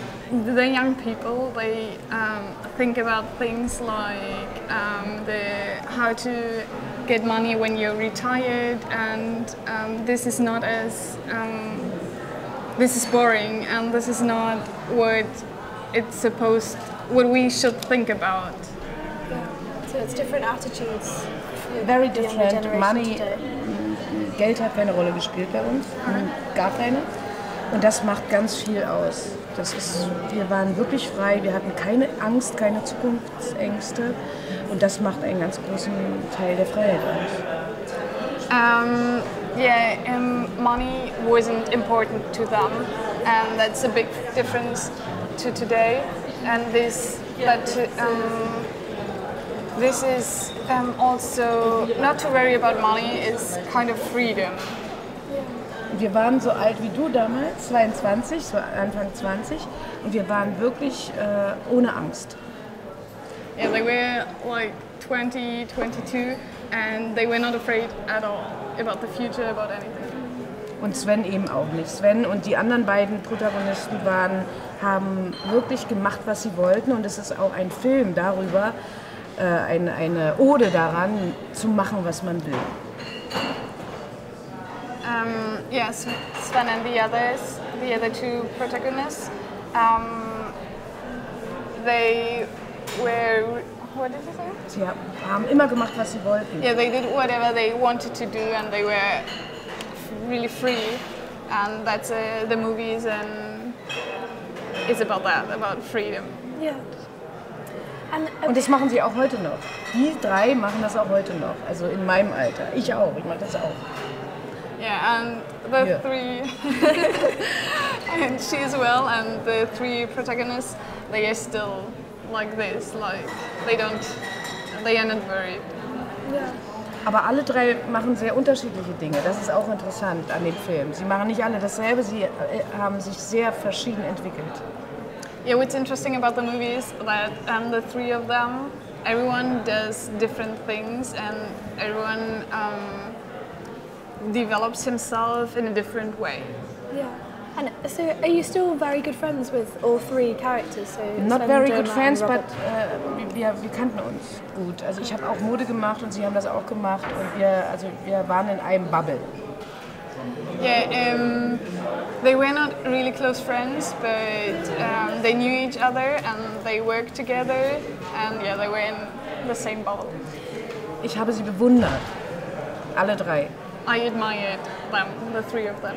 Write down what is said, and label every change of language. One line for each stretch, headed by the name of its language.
English: The young people, they think about things like how to get money when you're retired, and this is not as this is boring, and this is not what it's supposed, what we should think about. Yeah. So it's different attitudes. Very different. Money,
German: Geld hat keine Rolle gespielt bei uns, gar keine. Und das macht ganz viel aus. Das ist, wir waren wirklich frei, wir hatten keine Angst, keine Zukunftsängste. Und das macht einen ganz großen Teil der Freiheit aus.
English: Money wasn't important to them. And that's a big difference to today. And this, but this is also, not to worry about money, it's kind of freedom.
German: Wir waren so alt wie du damals, 22, so Anfang 20, und wir waren wirklich ohne Angst.
English: Yeah, they were like 20, 22, and they were not afraid at all about the future, about anything.
German: Und Sven eben auch nicht. Sven und die anderen beiden Protagonisten haben wirklich gemacht, was sie wollten, und es ist auch ein Film darüber, eine Ode daran, zu machen, was man will.
English: Yes, Sven and the other two protagonists, they were, what did you say?
German: Sie haben immer gemacht, was sie wollten.
English: Yeah, they did whatever they wanted to do, and they were really free, and that's the movie is about that, about freedom. Yeah.
German: Und das machen sie auch heute noch. Die drei machen das auch heute noch, also in meinem Alter. Ich auch, ich mache das auch.
English: Yeah, and the three, and she as well, and the three protagonists, they are still like this, like, they are not worried. Yeah.
German: Aber alle drei machen sehr unterschiedliche Dinge, das ist auch interessant an dem Film. Sie machen nicht alle dasselbe, sie haben sich sehr verschieden entwickelt.
English: Yeah, what's interesting about the movie is that the three of them, everyone does different things, and everyone develops himself in a different way. Yeah. And so are you still very good friends with all three characters? So not Sven, very Joma good friends, but
German: wir kannten uns gut. Also ich habe auch Mode gemacht und sie haben das auch gemacht, und wir waren in einem Bubble.
English: Yeah, they were not really close friends, but they knew each other and they worked together, and yeah, they were in the same bubble.
German: Ich habe sie bewundert. Alle drei.
English: I admired them, the three of them.